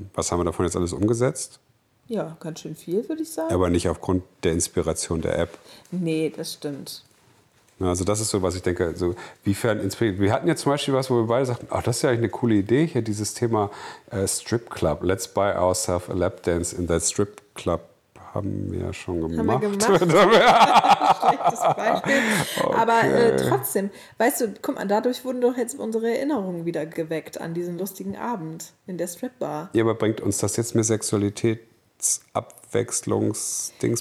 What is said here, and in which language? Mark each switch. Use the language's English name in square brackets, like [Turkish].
[German] Was haben wir davon jetzt alles umgesetzt? Ja, ganz schön viel, würde ich sagen. Aber nicht aufgrund der Inspiration der App. Nee, das stimmt. Also das ist so, was ich denke, so wiefern inspiriert. Wir hatten ja zum Beispiel was, wo wir beide sagten, ach, das ist ja eigentlich eine coole Idee, hier dieses Thema Strip Club. [English] Let's buy ourselves a lap dance in that strip club. [German] Haben wir ja schon gemacht. Haben wir gemacht. Schlechtes Beispiel. Okay. Aber trotzdem, weißt du, guck mal, dadurch wurden doch jetzt unsere Erinnerungen wieder geweckt an diesen lustigen Abend in der Strip Bar. Ja, aber bringt uns das jetzt mehr Sexualitätsab? Wechslungsdingsbums.